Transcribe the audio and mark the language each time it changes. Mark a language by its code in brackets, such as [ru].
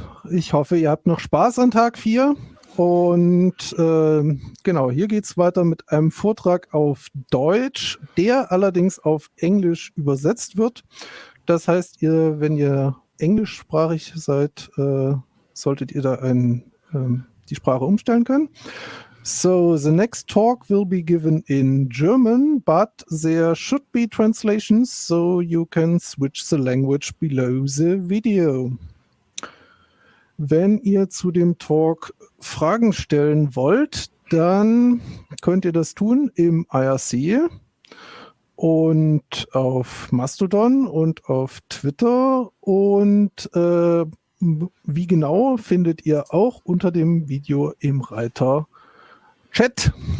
[de] Ich hoffe, ihr habt noch Spaß an Tag 4. Und genau, hier geht es weiter mit einem Vortrag auf Deutsch, der allerdings auf Englisch übersetzt wird. Das heißt, ihr, wenn ihr englischsprachig seid, solltet ihr da die Sprache umstellen können. [en] So, the next talk will be given in German, but there should be translations, so you can switch the language below the video. [de] Wenn ihr zu dem Talk Fragen stellen wollt, dann könnt ihr das tun im IRC und auf Mastodon und auf Twitter. Und wie genau, findet ihr auch unter dem Video im Reiter Chat.